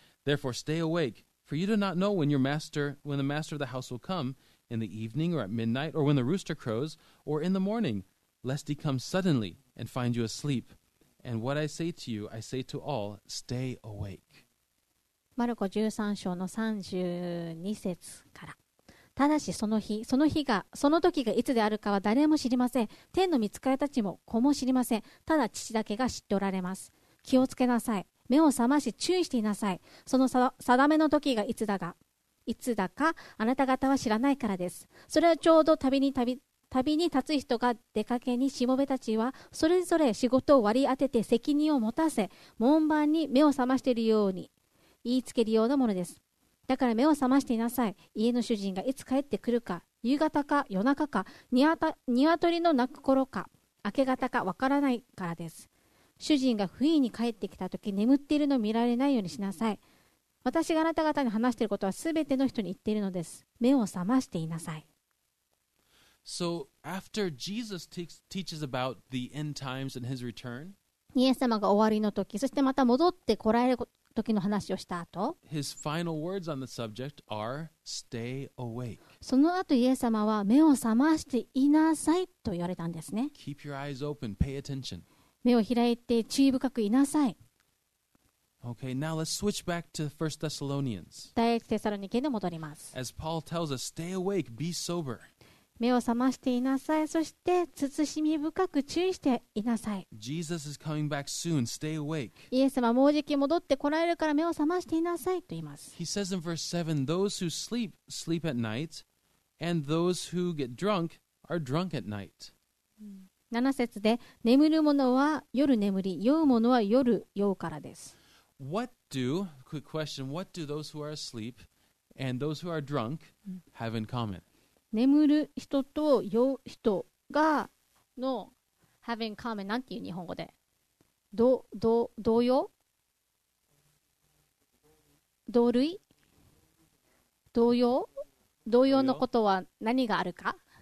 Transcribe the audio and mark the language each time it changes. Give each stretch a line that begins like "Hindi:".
English: Therefore, stay awake, for you do not know when the master of the house will come, in the evening or at midnight, or when the rooster crows, or in the morning, lest he come suddenly and find you asleep. And what I say to you, I say to all, stay awake.
Japanese: マルコ13章の32節から。ただしその時がいつであるかは誰も知りません。天の御使いたちも子も知りません。ただ父だけが知っておられます。気をつけなさい。目を覚まし注意していなさい。その定めの時がいつだかあなた方は知らないからです。それはちょうど旅に立つ人が出かけに、しもべたちはそれぞれ仕事を割り当てて責任を持たせ、門番に目を覚ましているように言いつけるようなものです。だから目を覚ましていなさい。家の主人がいつ帰ってくるか、夕方か夜中か、鶏の鳴く頃か明け方かわからないからです。主人が不意に帰ってきたとき眠っているのを見られないようにしなさい。私があなた方に話していることはすべての人に言っているのです。目を覚ましていなさい。
English: So after Jesus teaches about the end times and his return
Japanese: イエス様が終わりの時、そしてまた戻ってこられる時の話をした後、
English: His final words on the subject are, stay awake.
Japanese: その後イエス様は目を覚ましていなさいと言われたんですね。
English: Keep your eyes open, pay attention.
Japanese: 目を開いて注意深くいなさい。
English: Okay, now let's switch back to 1 Thessalonians.
Japanese: 第1テサロニケに戻ります。
English: As Paul tells us, stay awake, be sober.
Japanese: 目を覚ましていなさい。そして慎み深く注意していなさい。
English: Jesus is coming back soon. Stay awake.
Japanese: イエス様もうじき戻ってこられるから目を覚ましていなさいと言います。
English: He says in verse 7, those who sleep, sleep at night, and those who get drunk are drunk at night.
Japanese: 7節で、眠る者は夜眠り、酔う者は夜酔うからです。
English: Quick question, what do those who are asleep and those who are drunk have in common?
Japanese: 眠る人と酔う人がの
English: having common
Japanese: なんていう日本語で同様同類同様同様のことは何があるか。